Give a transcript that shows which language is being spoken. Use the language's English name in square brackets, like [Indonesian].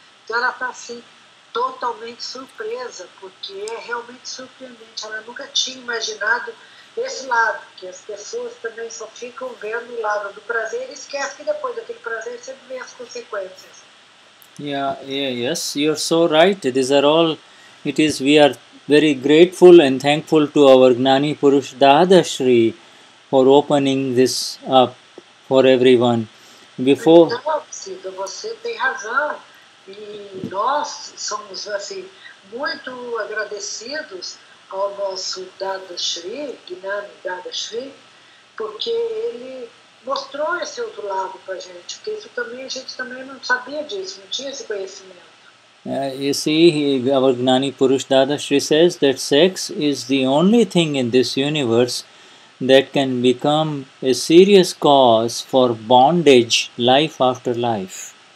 [Portuguese] Então, ela está assim, totalmente surpresa, porque é realmente surpreendente. Ela nunca tinha imaginado esse lado, que as pessoas também só ficam vendo o lado do prazer e esquecem que depois daquele prazer sempre vem as consequências. [English] Yes, you're so right. These are all, we are very grateful and thankful to our Gnani Purush Dadashri for opening this up for everyone. Before. [Portuguese] Então, você tem razão. E nós somos assim, muito agradecidos ao nosso Dadashri, Gnani Dadashri, porque ele mostrou esse outro lado para a gente, porque isso também, a gente também não sabia disso, não tinha esse conhecimento. [English] You see, our Gnani Purush Dadashri says that sex is the only thing in this universe that can become a serious cause for bondage life after life.